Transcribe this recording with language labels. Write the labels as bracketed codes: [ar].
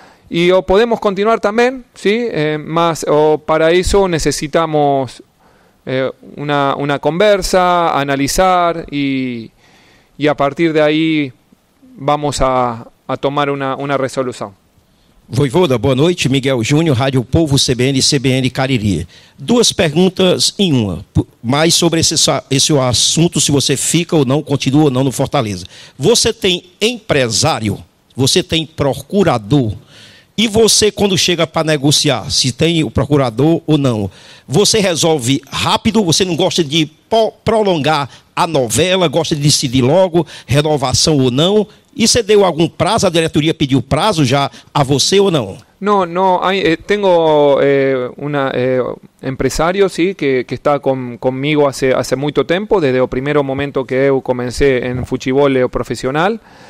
[es] Y o podemos continuar también, ¿sí? Mas o para eso necesitamos una conversa, analizar y a partir de ahí vamos a tomar una resolución. [pt] Vojvoda, boa noite. Miguel Júnior, Rádio Povo, CBN, CBN Cariri. Duas perguntas em uma, mais sobre esse assunto, se você fica ou não, continua ou não no Fortaleza. Você tem empresário, você tem procurador, e você, quando chega para negociar, se tem o procurador ou não, você resolve rápido, você não gosta de prolongar a novela, gosta de decidir logo, renovação ou não. E você deu algum prazo? A diretoria pediu prazo já a você ou não? [es] No, no, hay, tengo un empresario, sí, que está conmigo hace mucho tiempo, desde el primer momento que yo comencé en fuchibol profesional.